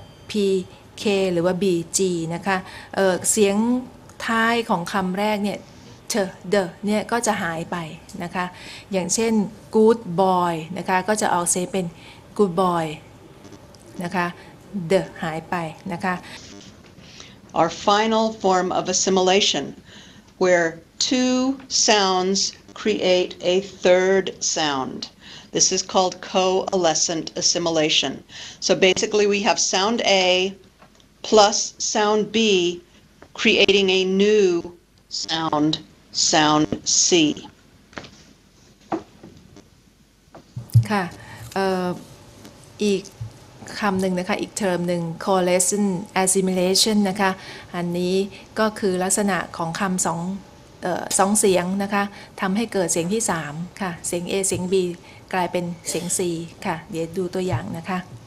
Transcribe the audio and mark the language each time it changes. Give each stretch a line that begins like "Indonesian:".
Thai: P K หรือว่า B G นะคะ เสียงท้ายของคำแรกเนี่ยเดอเนี่ยก็จะหายไปนะคะอย่างเช่น
English: good boy
Thai: นะคะก็จะออกเสียงเป็น good boy นะคะเดอหายไปนะคะ
English: Our final form of assimilation where two sounds create a third sound. This is called coalescent assimilation. So basically we have sound A plus sound B creating a new sound. Sound C.
Thai: ค่ะ อีกคำหนึ่งนะคะอีกเทอมหนึ่ง coalescent assimilation นะคะอันนี้ก็คือลักษณะของคำสองเสียงนะคะทำให้เกิดเสียงที่สามค่ะเสียง A เสียง B กลายเป็นเสียง C ค่ะเดี๋ยวดูตัวอย่างนะคะ